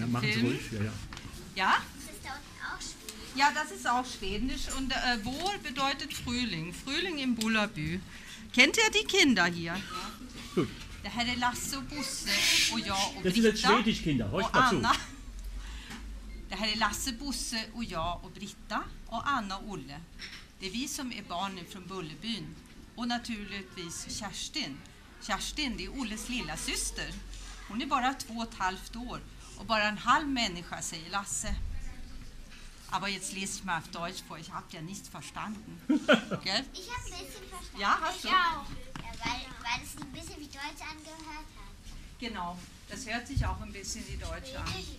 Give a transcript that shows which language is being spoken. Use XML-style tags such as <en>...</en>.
<de>Ja, machen Sie filmen? Ruhig. Ja, ja. Ja? Das ist da unten auch Schwedisch. Ja, das ist auch Schwedisch. Und wohl bedeutet Frühling. Frühling im Bullabü. Kennt ihr die Kinder hier? Gut. Der Herr Lasse Busse. Oh ja, ob das ist jetzt Schwedisch, Kinder. Hör mal zu. Der Herr Lasse Busse, oh ja, och Britta och Anna Olle.</de> <sv>Det är vi som är barnen från Bullebyn. Och naturligtvis Kerstin. Kerstin, det är Olles lilla syster. Hon är bara 2,5 år. Och bara en halv människa, säger Lasse.</sv> <de>Aber jetzt lese ich mal auf Deutsch vor, ich habe ja nichts verstanden. Gell? Ich habe ein bisschen verstanden. Ja, hast du? Ich auch. Ja, weil es ein bisschen wie Deutsch angehört hat. Genau, das hört sich auch ein bisschen wie Deutsch an.</de>